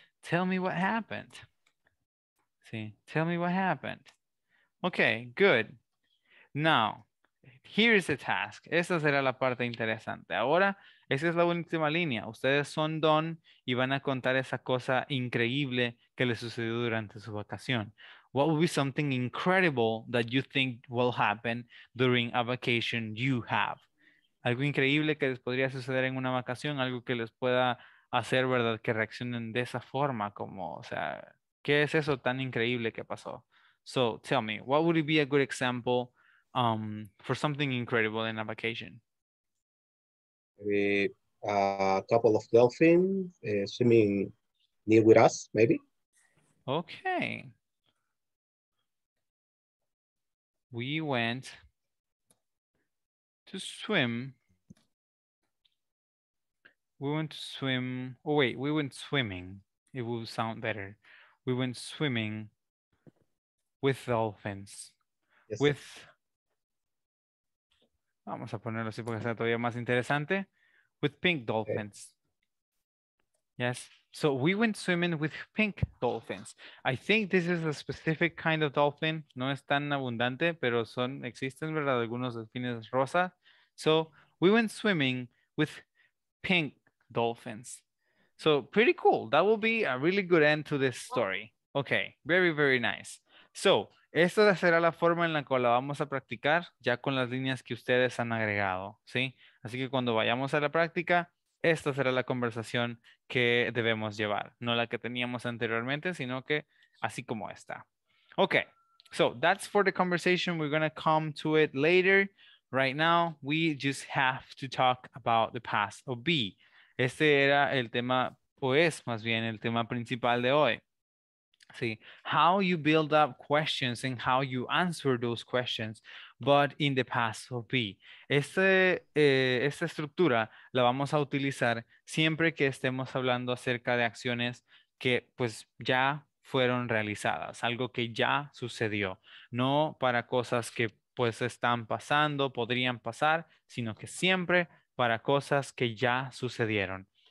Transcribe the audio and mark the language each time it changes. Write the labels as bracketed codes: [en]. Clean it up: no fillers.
[en] Tell me what happened. Sí, tell me what happened. Okay, good. Now, here is the task. [es] Esta será la parte interesante. Ahora, esa es la última línea. Ustedes son Don y van a contar esa cosa increíble que le sucedió durante su vacación. [en] What would be something incredible that you think will happen during a vacation you have? [es] algo increíble que les podría suceder en una vacación, algo que les pueda hacer, ¿verdad?, que reaccionen de esa forma, como, o sea, ¿qué es eso tan increíble que pasó? [en] So, tell me, what would be a good example for something incredible in a vacation? Maybe a couple of dolphins swimming near with us, maybe. Okay. We went to swim. We went to swim. Oh, wait, we went swimming. It will sound better. We went swimming with dolphins. Yes, with. Sir. [es] Vamos a ponerlo así porque sea todavía más interesante. [en] With pink dolphins. Okay. Yes. So we went swimming with pink dolphins. I think this is a specific kind of dolphin. [es] No es tan abundante, pero son, existen, ¿verdad? Algunos delfines rosa. [en] So we went swimming with pink dolphins. So pretty cool. That will be a really good end to this story. Okay, very, very nice. [es] So, esta será la forma en la cual la vamos a practicar ya con las líneas que ustedes han agregado, ¿sí? Así que cuando vayamos a la práctica, esta será la conversación que debemos llevar. No la que teníamos anteriormente, sino que así como esta. [en] Okay, so that's for the conversation. We're going to come to it later. Right now, we just have to talk about the past of be. [es] Este era el tema, pues, más bien el tema principal de hoy. [en] See, how you build up questions and how you answer those questions, but in the past of be. [es] Esta estructura la vamos a utilizar siempre que estemos hablando acerca de acciones que, pues, ya fueron realizadas, algo que ya sucedió. No para cosas que, pues, están pasando, podrían pasar, sino que siempre para cosas que ya sucedieron.